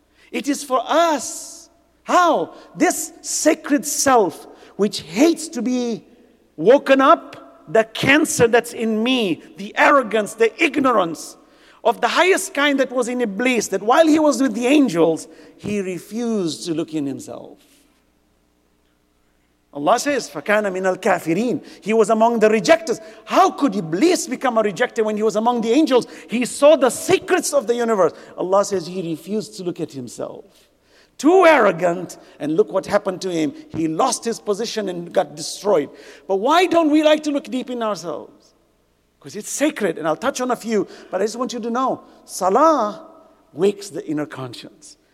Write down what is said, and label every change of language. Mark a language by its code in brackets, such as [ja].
[en] It is for us. How? This sacred self, which hates to be woken up, the cancer that's in me, the arrogance, the ignorance of the highest kind that was in Iblis, that while he was with the angels, he refused to look in himself. Allah says, [ar] فَكَانَ مِنَ الْكَافِرِينَ. [en] He was among the rejectors. How could Iblis become a rejector when he was among the angels? He saw the secrets of the universe. Allah says, he refused to look at himself. Too arrogant, and look what happened to him. He lost his position and got destroyed. But why don't we like to look deep in ourselves? Because it's sacred, and I'll touch on a few, but I just want you to know, salah wakes the inner conscience.